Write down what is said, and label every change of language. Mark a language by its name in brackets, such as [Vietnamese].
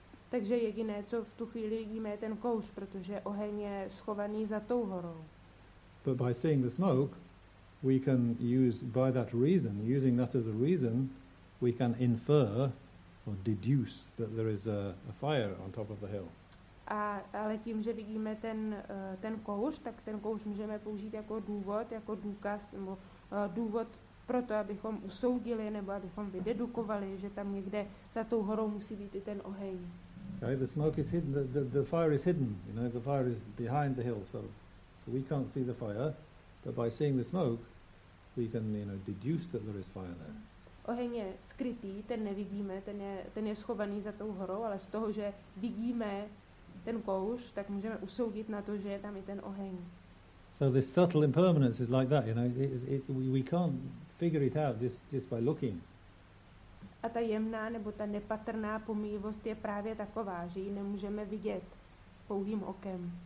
[Czech] Takže jediné, co v tu chvíli vidíme, je ten kouř, protože oheň je schovaný za tou horou. [English] But by seeing the smoke, we can use, by that reason, using that as a reason, we can infer or deduce that there is a fire on top of the hill. [Czech] Ale tím, že vidíme ten kouř, tak ten kouř můžeme použít jako důkaz, nebo důvod pro to, abychom usoudili, nebo abychom vydedukovali, že tam někde za tou horou musí být i ten oheň. [English] Okay, the smoke is hidden, the fire is hidden, you know, the fire is behind the hill, so we can't see the fire. But by seeing the smoke, we can, you know, deduce that there is fire there. [Czech] Oheň je skrytý, ten nevidíme, ten je schovaný za tou horou, ale z toho, že vidíme ten kouř, tak můžeme usoudit na to, že je tam i ten oheň. [English] So this subtle impermanence is like that, you know, we can't figure it out just by looking. [Czech] A ta jemná nebo ta nepatrná pomíjivost je právě taková, že ji nemůžeme vidět pouhým okem.